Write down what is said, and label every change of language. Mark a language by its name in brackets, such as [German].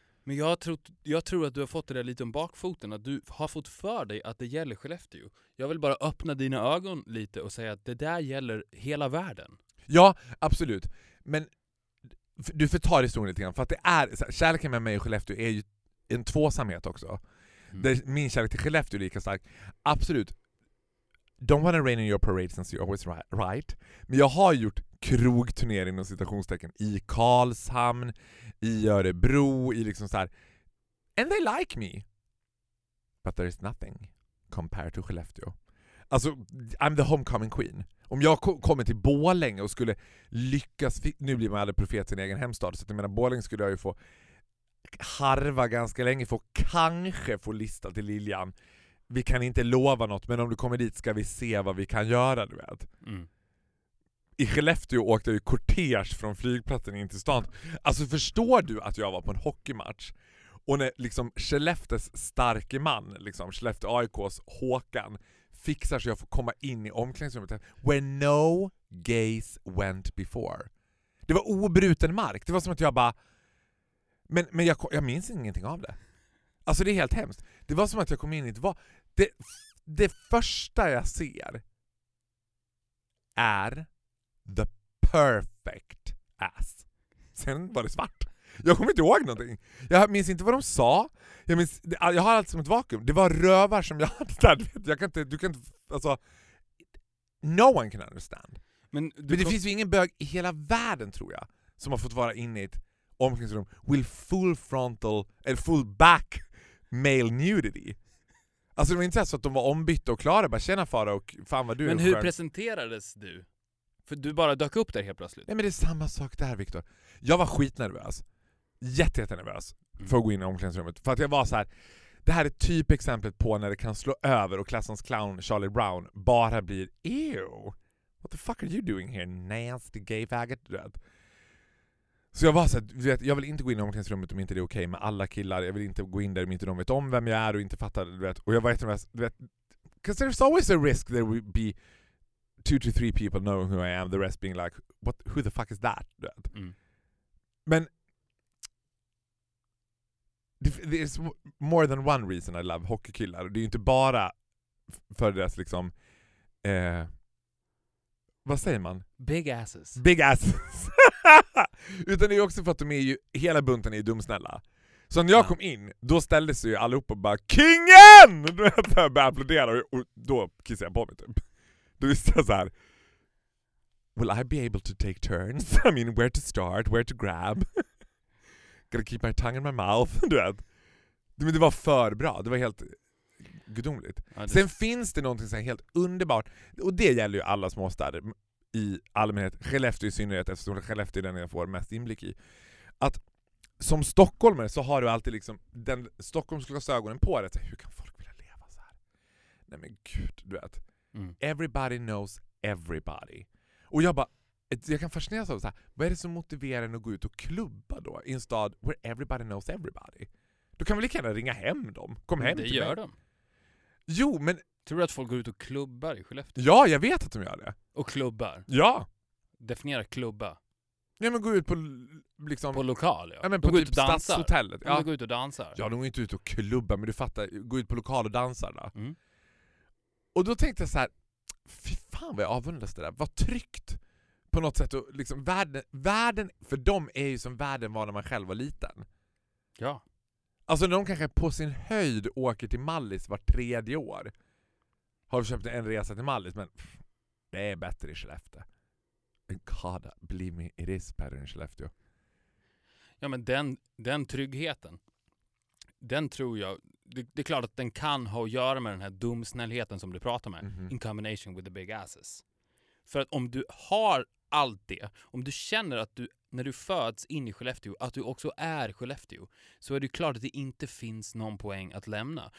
[Swedish] Men jag tror att du har fått det där lite om bakfoten, att du har fått för dig att det gäller Skellefteå. Jag vill bara öppna dina ögon lite och säga att det där gäller hela världen. Ja, absolut. Men du förtar historien lite grann, för att det är så här, kärleken med mig och Skellefteå är ju en tvåsamhet också. Mm. Det, min kärlek till Skellefteå är lika stark. Absolut. [English] Don't wanna rain in your parade since you're always right. [Swedish] Men jag har gjort krogturnéer inom citationstecken i Karlshamn, i Örebro, i liksom så här. [English] And they like me. But there is nothing compared to Skellefteå. Alltså, I'm the homecoming queen. [Swedish] Om jag kommer till Borlänge och skulle lyckas, nu blir man aldrig profet i sin egen hemstad, så att jag menar, Borlänge skulle jag ju få harva ganska länge, få kanske få lista till Liljan. Vi kan inte lova något, men om du kommer dit ska vi se vad vi kan göra, du vet. Mm. I Skellefteå åkte jag ju kortege från flygplatsen in till stan. Alltså förstår du att jag var på en hockeymatch och när liksom Skellefteås starke man, liksom Skellefteå AIKs Håkan, fixar så jag får komma in i omklädningsrummet. [English] When no gays went before. [Swedish] Det var obruten mark. Det var som att jag bara, men jag minns ingenting av det. Alltså det är helt hemskt. Det var som att jag kom in i ett, det första jag ser är [English] the perfect ass. [Swedish] Sen var det svart. Jag kommer inte ihåg någonting. Jag minns inte vad de sa. Jag har allt som ett vakuum. Det var rövar som jag hade. Jag kan inte, du kan inte, alltså, [English] no one can understand. [Swedish] Men det finns ju ingen bög i hela världen, tror jag, som har fått vara inne i ett omklädningsrum [English] with full frontal eller full back male nudity. [Swedish] Alltså det var inte så att de var ombytta och klara. Bara tjena fara och fan vad du. Men hur presenterades du? För du bara dök upp där helt plötsligt. Nej, men det är samma sak där, Victor. Jag var skitnervös. Jättenervös för att gå in i omklädningsrummet. För att jag var så här. Det här är typexemplet på när det kan slå över och klassens clown Charlie Brown bara blir ew. [English] What the fuck are you doing here, nasty gay faggot? [Swedish] Så jag var så här, vet, jag vill inte gå in i omklädningsrummet om inte det är okej med alla killar. Jag vill inte gå in där om inte de vet om vem jag är och inte fattar, du vet. Och jag var jättenervös, du vet. [English] Because there's always a risk there will be 2 to 3 people know who I am, the rest being like, what, who the fuck is that? Mm. Men there's more than one reason I love hockeykillar. [Swedish] Det är ju inte bara för deras liksom, vad säger man? [English] Big asses. Big asses. [Swedish] Utan det är också för att de är ju, hela bunten är ju dumsnälla. Så när jag kom in, då ställde sig ju allihopa och bara, kingen! Då började jag applådera och då kissade jag på mig typ. Då visste jag så här, [English] will I be able to take turns? I mean, where to start? Where to grab? Gotta keep my tongue in my mouth. [Swedish] Du vet. Men det var för bra. Det var helt gudomligt. Ja, sen finns det någonting som är helt underbart. Och det gäller ju alla småstäder i allmänhet. Skellefteå i synnerhet, eftersom Skellefteå är den jag får mest inblick i. Att som stockholmer så har du alltid liksom den stockholmsglasögonen på dig. Hur kan folk vilja leva så här? Nej men gud, du vet. Mm. [English] Everybody knows everybody. [Swedish] Och jag bara, jag kan fascineras av så här, vad är det som motiverar en att gå ut och klubba då i en stad [English] where everybody knows everybody? [Swedish] Då kan vi lika gärna ringa hem dem. Kom men hem det till gör mig. De. Jo, men tror du att folk går ut och klubbar i Skellefteå? Ja, jag vet att de gör det. Och klubbar? Ja. Definiera klubba. Ja, men gå ut på liksom, på lokal, ja. Ja, men på typ stadshotellet. Ja, gå ut och dansa. Ja, de går inte ut och klubba, men du fattar. Gå ut på lokal och dansa då. Mm. Och då tänkte jag så här, fy fan vad jag avundas det där. Vad tryggt på något sätt. Och liksom, världen, för dem är ju som världen var när man själv var liten. Ja. Alltså när de kanske på sin höjd åker till Mallis var tredje år. Har köpt en resa till Mallis, men pff, det är bättre i Skellefteå. [English] God, believe me, it is better in Skellefteå. [Swedish] Ja, men den tryggheten, den tror jag, det är klart att den kan ha att göra med den här dumsnällheten som du pratar med, mm-hmm. [English] in combination with the big asses. [Swedish] För att om du har allt det, om du känner att du, när du föds in i Skellefteå, att du också är Skellefteå, så är det klart att det inte finns någon poäng att lämna.